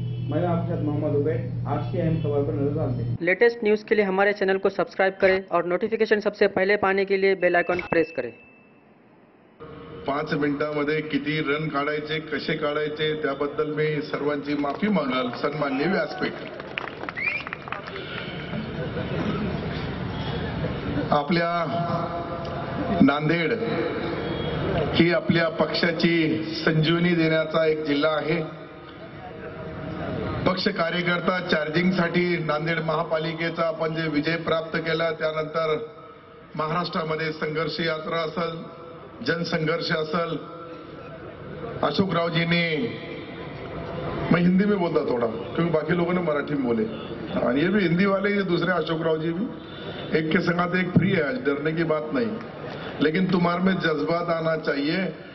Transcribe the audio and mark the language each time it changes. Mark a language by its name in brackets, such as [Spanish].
[Hindi] आज की अहम खबर पर नजर डालते हैं। लेटेस्ट न्यूज के लिए हमारे चैनल को सब्सक्राइब करें और नोटिफिकेशन सबसे पहले पाने के लिए बेल आइकॉन प्रेस करें। [Marathi] 5 मिनिटांमध्ये किती रन काढायचे, कसे काढायचे त्याबद्दल मी सर्वांची माफी मागणार, सन्माननीय व्यासपीठ। आपल्या नांदेड ही आपल्या पक्षाची संजीवनी देण्याचा एक जिल्हा आहे। पक्ष कार्यकर्ता चार्जिंगसाठी नांदेड महापालिकेचा आपण जे विजय प्राप्त केला, त्यानंतर महाराष्ट्रामध्ये संघर्ष यात्रा असेल, जनसंघर्ष असेल, अशोकरावजींनी, [Hindi] मैं हिंदी में बोलता थोड़ा क्योंकि बाकी लोगों ने मराठी में बोले, ये भी हिंदी वाले ये दूसरे अशोकराव जी भी एक के संगाते एक फ्री है, आज डरने की बात नहीं, लेकिन तुम्हारे में जज्बात आना चाहिए।